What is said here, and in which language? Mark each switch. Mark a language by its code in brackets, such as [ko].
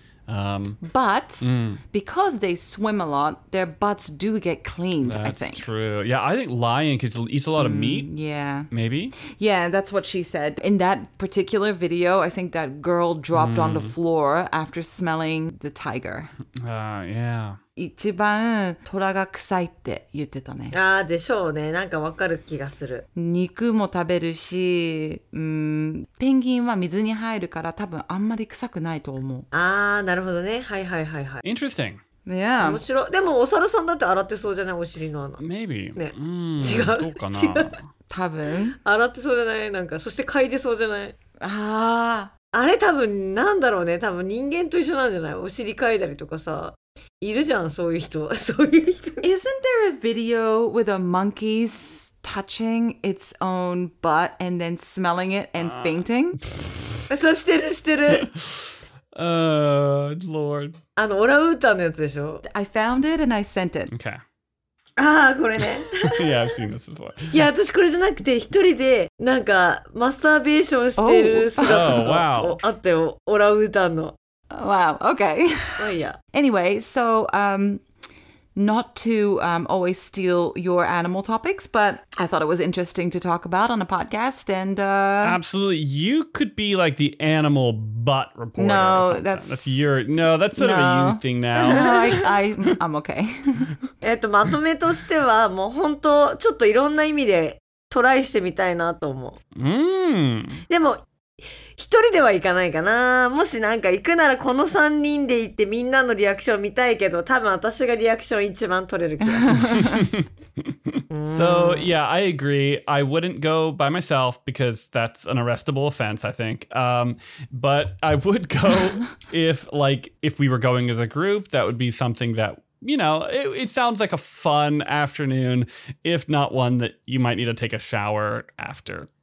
[en] But because they swim a lot, their butts do get cleaned, I think. That's true. Yeah, I think lion could eat a lot of meat. Yeah. Maybe? Yeah, that's what she said. In that particular video, I think that girl dropped on the floor after smelling the tiger. Yeah. [ja] 一番トラが臭いって言ってたね。ああ、でしょうね。なんかわかる気がする。肉も食べるし、ペンギンは水に入るから多分あんまり臭くないと思う。ああ、なるほどね。はいはいはいはい。 [en] Interesting. Yeah. [ja] 面白い。でもお猿さんだって洗ってそうじゃない？お尻の穴。 [en] Maybe. [ja] ね。違う。どうかな。違う。多分。洗ってそうじゃない？なんか、そして嗅いでそうじゃない？ああ。あれ多分なんだろうね。多分人間と一緒なんじゃない？お尻嗅いだりとかさ。いるじゃん、そういう人。そういう人。 [en] Isn't there a video with a monkey touching its own butt and then smelling it and fainting? [ja] そう、してる、してる。 [en] Lord. [ja] オラウータンのやつでしょ？ [en] I found it and I sent it. Okay. [ja] ああ、これね。 [en] yeah, I've seen this before. [ja] いや、私これじゃなくて、一人で、なんか、マスターベーションしてる姿が、あったよ。オラウータンの。 [en] Wow, okay. Oh, yeah. Anyway, so, not to always steal your animal topics, but I thought it was interesting to talk about on a podcast. And absolutely, you could be like the animal butt reporter. No, or that's sort of a you thing now. No, I'm okay. [ja] まとめとしてはもう本当ちょっといろんな意味でトライしてみたいなと思う。うん。でも。一人では行かないかな。もしなんか行くならこの3人で行ってみんなのリアクション見たいけど、多分私がリアクション一番取れる気がします。 [en] So, yeah, I agree. I wouldn't go by myself because that's an arrestable offense, I think. But I would go if, like, if we were going as a group, that would be something that, you know, it sounds like a fun afternoon, if not one that you might need to take a shower after.